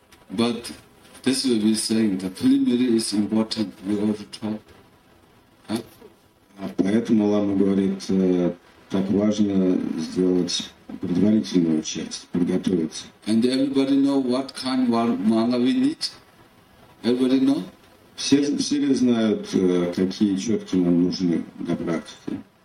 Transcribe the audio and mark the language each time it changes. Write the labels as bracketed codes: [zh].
[en] But this will be saying the preliminary is important. We have to talk. [ru] Поэтому лама говорит, так важно сделать предварительную часть, подготовиться. [en] And everybody know what kind of mala we need? Everybody know? [ru] Все ли знают, какие четки нам нужны для практики?